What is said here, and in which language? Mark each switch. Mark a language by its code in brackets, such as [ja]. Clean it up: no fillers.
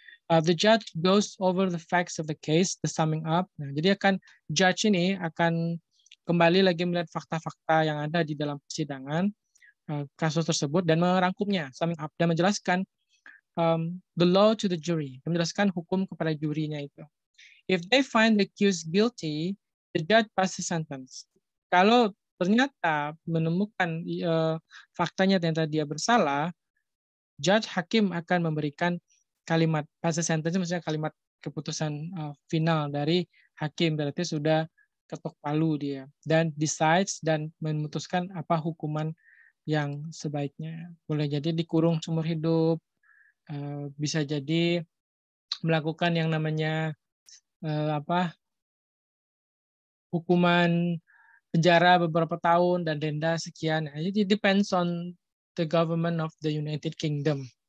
[en] The judge goes over the facts of the case, the summing up. [id] Nah, jadi akan judge ini akan kembali lagi melihat fakta-fakta yang ada di dalam persidangan kasus tersebut dan merangkumnya, summing up, dan menjelaskan [en] the law to the jury, [id] menjelaskan hukum kepada jurinya itu. [en] If they find the accused guilty, the judge passes the sentence. [id] Kalau ternyata menemukan faktanya ternyata dia bersalah, judge hakim akan memberikan kalimat passes sentence, maksudnya kalimat keputusan final dari hakim, berarti sudah ketok palu dia dan decides dan memutuskan apa hukuman yang sebaiknya. Boleh jadi dikurung seumur hidup, bisa jadi melakukan yang namanya hukuman penjara beberapa tahun dan denda sekian. [en] It depends on the government of the United Kingdom.